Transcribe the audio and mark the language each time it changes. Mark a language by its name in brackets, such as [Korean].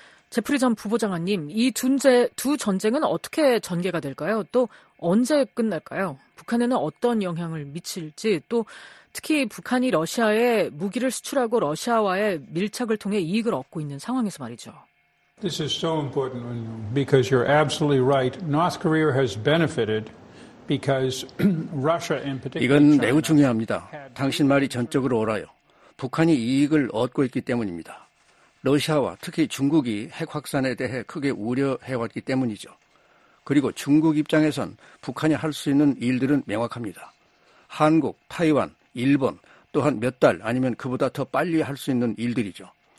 [Korean] 제프리 전 부보장관님, 이 두 전쟁은 어떻게 전개가 될까요? 또 언제 끝날까요? 북한에는 어떤 영향을 미칠지, 또 특히 북한이 러시아에 무기를 수출하고 러시아와의 밀착을 통해 이익을 얻고 있는 상황에서 말이죠. [English] This is so important because you're absolutely right. North Korea has benefited because Russia in particular. [Korean] 이건 매우 중요합니다. 당신 말이 전적으로 옳아요. 북한이 이익을 얻고 있기 때문입니다. 러시아와 특히 중국이 핵 확산에 대해 크게 우려해왔기 때문이죠. 그리고 중국 입장에선 북한이 할 수 있는 일들은 명확합니다. 한국, 타이완, 일본 또한 몇 달 아니면 그보다 더 빨리 할 수 있는 일들이죠.